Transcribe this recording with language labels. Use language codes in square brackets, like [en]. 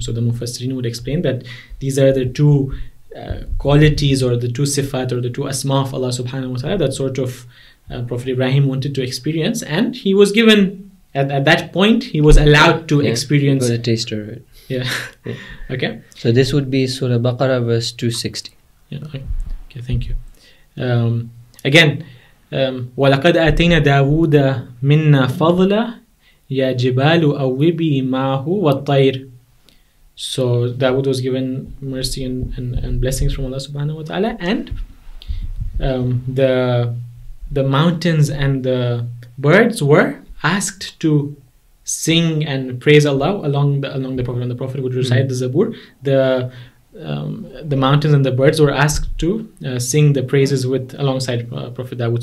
[en] So the Mufassirin would explain that these are the two qualities, or the two sifat, or the two asma of Allah subhanahu wa ta'ala, that sort of Prophet Ibrahim wanted to experience, and he was given at that point, he was allowed to experience. He got a taste of it. Yeah. Okay. So this would be Surah Baqarah, verse 260. Yeah. Okay. Thank you. [ar] Again, وَلَقَدْ أَتَيْنَا دَاوُودَ مِنَّا فَضْلًا يَا جِبَالُ أَوِّبِي مَعَهُ وَالطَّيْرِ. [en] So Dawood was given mercy and blessings from Allah subhanahu wa ta'ala, and the mountains and the birds were asked to sing and praise Allah along the Prophet. And the Prophet would recite the Zabur. The mountains and the birds were asked to sing the praises alongside Prophet Dawood.